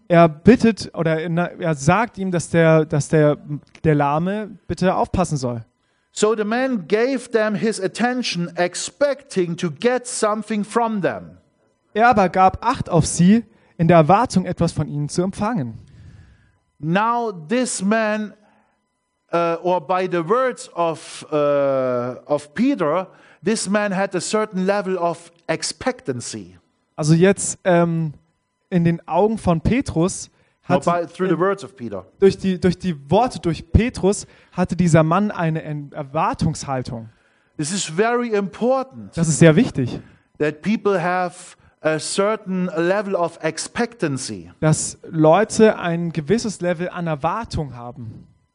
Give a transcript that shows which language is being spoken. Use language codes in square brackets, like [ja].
[de] Er bittet oder er sagt ihm, dass der Lahme bitte aufpassen soll. [en] So the man gave them his attention, expecting to get something from them. [de] Er aber gab Acht auf sie in der Erwartung, etwas von ihnen zu empfangen. [en] Now this man, or by the words of Peter, this man had a certain level of expectancy. [de] Also jetzt in den Augen von Petrus hat durch Petrus hatte dieser Mann eine Erwartungshaltung. [en] This is very important. [de] Das ist sehr wichtig. [en] That people have a certain level of expectancy. [de] Dass Leute ein gewisses Level an Erwartung haben.